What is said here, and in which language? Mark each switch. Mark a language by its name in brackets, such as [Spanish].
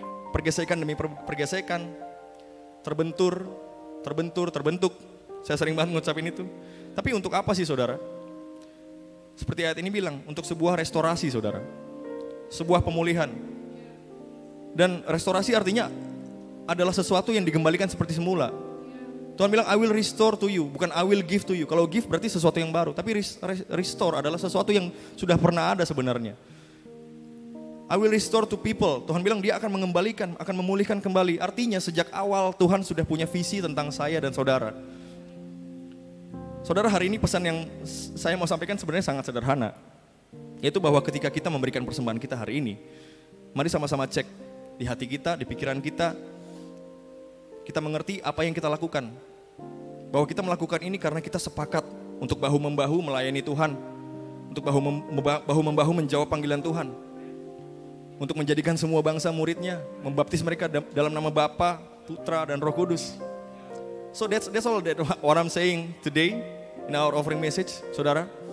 [Indonesian] Pergesekan demi pergesekan. Terbentur, terbentur, terbentuk. Saya sering banget ngucapin itu. Tapi untuk apa sih, saudara? Seperti ayat ini bilang, untuk sebuah restorasi, saudara. Sebuah pemulihan. Dan restorasi artinya adalah sesuatu yang dikembalikan seperti semula. [English] Tuhan bilang, I will restore to you, bukan I will give to you. [Indonesian] Kalau give berarti sesuatu yang baru, tapi restore adalah sesuatu yang sudah pernah ada sebenarnya. I will restore to people. Tuhan bilang dia akan mengembalikan, akan memulihkan kembali. Artinya sejak awal Tuhan sudah punya visi tentang saya dan saudara. Saudara, hari ini pesan yang saya mau sampaikan sebenarnya sangat sederhana. Yaitu bahwa ketika kita memberikan persembahan kita hari ini, mari sama-sama cek di hati kita, di pikiran kita. Kita mengerti apa yang kita lakukan. Bahwa kita melakukan ini karena kita sepakat untuk bahu-membahu melayani Tuhan. Untuk bahu-membahu menjawab panggilan Tuhan. Untuk menjadikan semua bangsa muridnya. Membaptis mereka dalam nama Bapa, Putra, dan Roh Kudus. [English] So that's all that what I'm saying today in our offering message, saudara.